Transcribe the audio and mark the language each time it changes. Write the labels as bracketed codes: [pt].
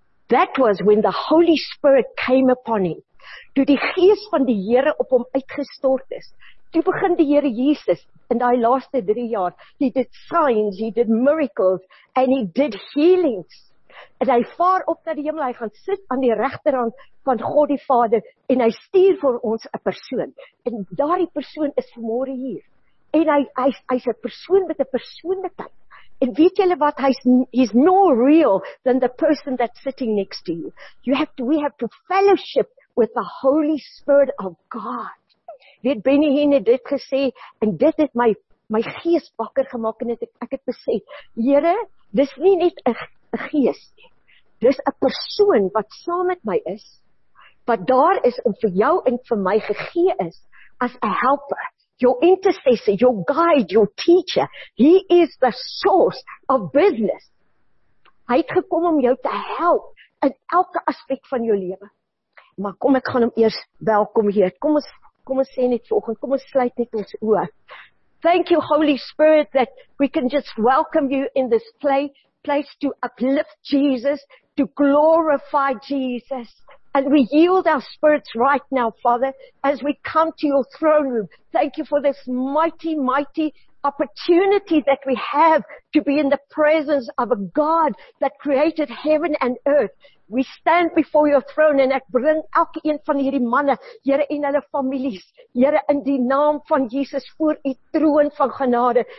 [en] That was when the Holy Spirit came upon him. [af] Toe die Gees van die Here op hom uitgestort is. Toe begin die Here Jesus in die laaste 3 jaar. [en] He did signs, he did miracles and he did healings. [af] En hy vaar op na die hemel, hy gaan sit aan die regterhand van God die Vader en hy stuur vir ons 'n persoon. En daardie persoon is vanmôre hier. En hy is 'n persoon met 'n persoonlikheid. En weet julle wat, [en] he's no real than the person that's sitting next to you. We have to fellowship with the Holy Spirit of God. [af] Weet Benny Hinn het dit gesê, en dit het my gees wakker gemaak, en ek het besef, Here, dis nie net 'n gees, dis 'n persoon wat saam met my is, wat daar is en vir jou en vir my gegee is, as 'n helper, [en] your intercessor, your guide, your teacher. He is the source of business. [af] Hy het gekom om jou te help in elke aspek van jou lewe. Maar kom, ek gaan hom eers welkom hier. Kom ons sê net vanoggend, kom ons sluit net ons oë. [en] Thank you, Holy Spirit, that we can just welcome you in this place to uplift Jesus, to glorify Jesus. And we yield our spirits right now, Father, as we come to your throne room. Thank you for this mighty, mighty opportunity that we have to be in the presence of a God that created heaven and earth. We stand before your throne and [af] ek bring elke een van hierdie manne, Here, en hulle families, Here, in die naam van Jesus voor u troon van genade.